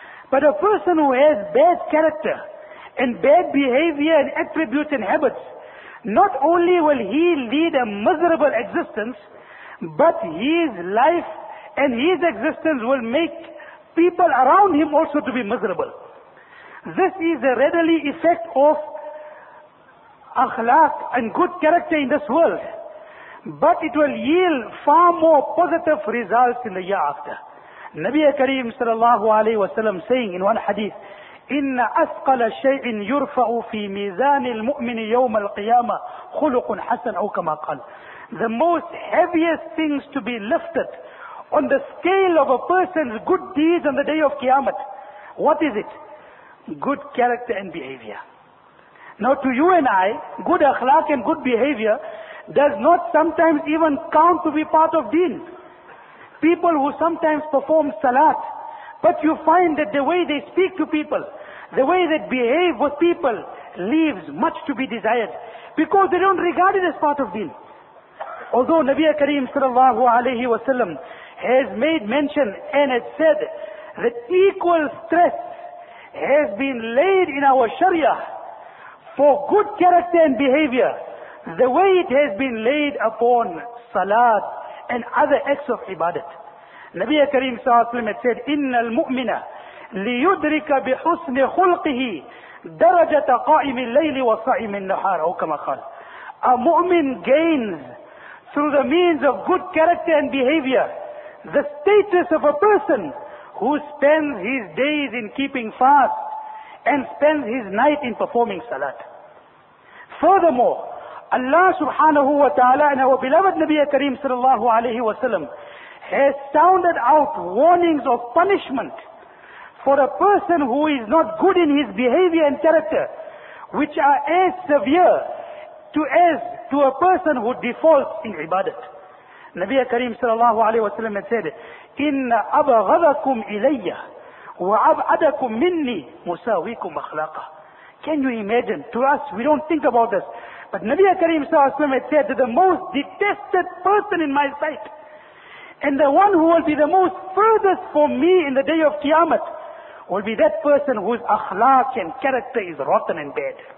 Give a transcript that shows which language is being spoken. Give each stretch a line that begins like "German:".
English: But a person who has bad character and bad behavior and attributes and habits, not only will he lead a miserable existence, but his life and his existence will make people around him also to be miserable. This is the readily effect of akhlaq and good character in this world. But it will yield far more positive results in the year after. Nabi Kareem sallallahu alayhi wa sallam saying in one hadith,
Arabic: إِنَّ أَثْقَلَ شَيْءٍ يُرْفَعُ فِي مِيزَانِ الْمُؤْمِنِ يَوْمَ الْقِيَامَةِ خُلُقٌ حَسَنٌ أَوْ كَمَا قَالَ.
English: The most heaviest things to be lifted on the scale of a person's good deeds on the day of Qiyamah, what is it? Good character and behavior. Now to you and I, good akhlaq and good behavior does not sometimes even count to be part of deen. People who sometimes perform salat, but you find that the way they speak to people, the way they behave with people, leaves much to be desired, because they don't regard it as part of deen. Although Nabi Kareem sallallahu alayhi wa sallam has made mention and has said that equal stress has been laid in our Sharia for good character and behavior, the way it has been laid upon salat and other acts of ibadat. Nabi Kareem sallallahu alayhi wa sallam said,
Arabic: إِنَّ الْمُؤْمِنَ لِيُدْرِكَ بِحُسْنِ خُلْقِهِ دَرَجَةَ قَائِمِ اللَّيْلِ وَصَائِمِ النَّهَارِ أَوْ كَمَا قَالَ.
English: A mu'min gains through the means of good character and behavior the status of a person who spends his days in keeping fast and spends his night in performing salat. Furthermore, Allah subhanahu wa ta'ala and our beloved Nabi Kareem sallallahu alayhi wa sallam has sounded out warnings of punishment for a person who is not good in his behavior and character, which are as severe to a person who defaults in ibadat. Nabi Kareem sallallahu alayhi wa sallam had said,
Arabic: ان ابغضكم الي وابعدكم مني مساويكم اخلاقا.
English: Can you imagine? To us, we don't think about this. But Nabi Kareem Sallallahu Alaihi Wasallam said that the most detested person in my sight, and the one who will be the most furthest from me in the day of Qiyamah, will be that person whose akhlaq and character is rotten and bad.